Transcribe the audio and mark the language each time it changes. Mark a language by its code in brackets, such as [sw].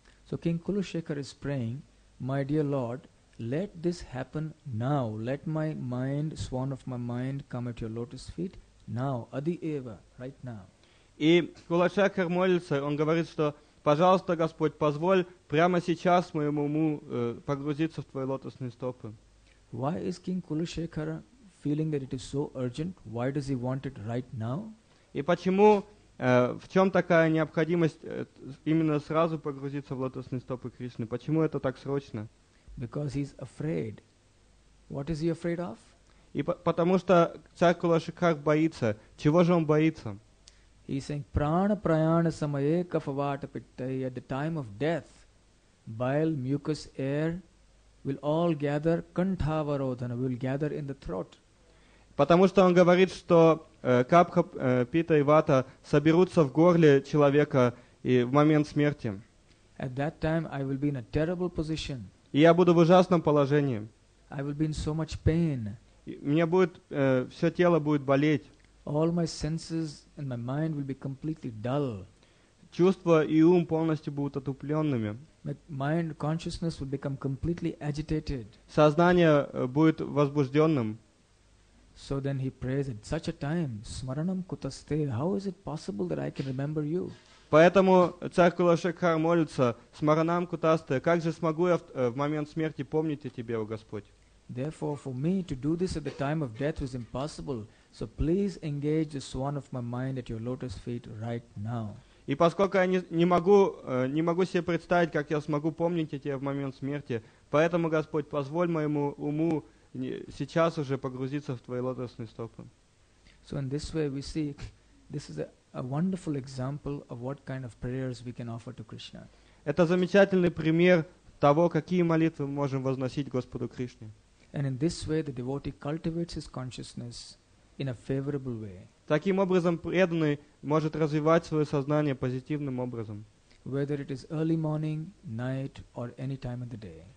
[en] So King Kulushekhar is praying, my dear Lord, let this happen now. Let my mind, swan of my mind, come at your lotus feet now, [sa] adi eva, [en] right now. [ru] И Кулашекхар молится, он говорит, что, пожалуйста, Господь, позволь прямо сейчас моему уму погрузиться в твои лотосные стопы. [en] Why is King Kulushekhar feeling that it is so urgent? Why does he want it right now? [ru] И почему, в чем такая необходимость именно сразу погрузиться в лотосные стопы Кришны? Почему это так срочно? [en] Because he's afraid. What is he afraid of? [ru] И потому что царь Кулашекхар боится. Чего же он боится? [en] He's saying, [sa] prana prayana samaye kafavata pittai, [en] at the time of death, bile, mucus, air will all gather kanthavarodhana, will gather in the throat. [ru] Потому что он говорит, что капха, пита и вата соберутся в горле человека и в момент смерти. [en] At that time I will be in a terrible position. [ru] И я буду в ужасном положении. [en] I will be in so much pain. [ru] Мне будет, все тело будет болеть. [en] All my senses and my mind will be completely dull. [ru] Чувства и ум полностью будут отупленными. [en] My mind, consciousness will become completely agitated. [ru] Сознание будет возбужденным. [en] So then he prays at such a time, [sa] smaranam kutaste, [en] how is it possible that I can remember you? [ru] Поэтому царь Кулашекхар молится: [sa] смаранам кутасте, [ru] как же смогу я в момент смерти помнить о тебе, о Господь? [en] Therefore, for me to do this at the time of death was impossible. So please engage the swan of my mind at your lotus feet right now. [ru] И поскольку я не могу себе представить, как я смогу помнить о тебе в момент смерти, поэтому, Господь, позволь моему уму сейчас уже погрузиться в твои лотосные стопы. [en] So in this way we see, this is a wonderful example of what kind of prayers we can offer to Krishna. [ru] Это замечательный пример того, какие молитвы мы можем возносить Господу Кришне. [en] And in this way the devotee cultivates his consciousness in a favorable way. [ru] Таким образом преданный может развивать свое сознание позитивным образом. [en] Whether it is early morning, night, or any time of the day.